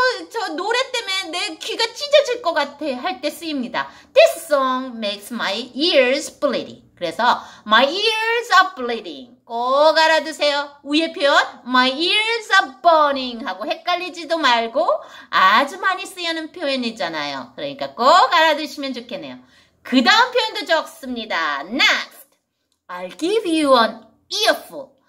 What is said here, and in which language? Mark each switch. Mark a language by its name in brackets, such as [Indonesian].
[Korean] 저 노래 때문에 내 귀가 찢어질 것 같아 할 때 쓰입니다. [English] This song makes my ears bleeding. [Korean] 그래서 [English] my ears are bleeding [Korean] 꼭 알아두세요. 위의 표현 [English] my ears are burning [Korean] 하고 헷갈리지도 말고 아주 많이 쓰이는 표현이잖아요. 그러니까 꼭 알아두시면 좋겠네요. 그 다음 표현도 좋습니다. [English] Next, I'll give you an earful.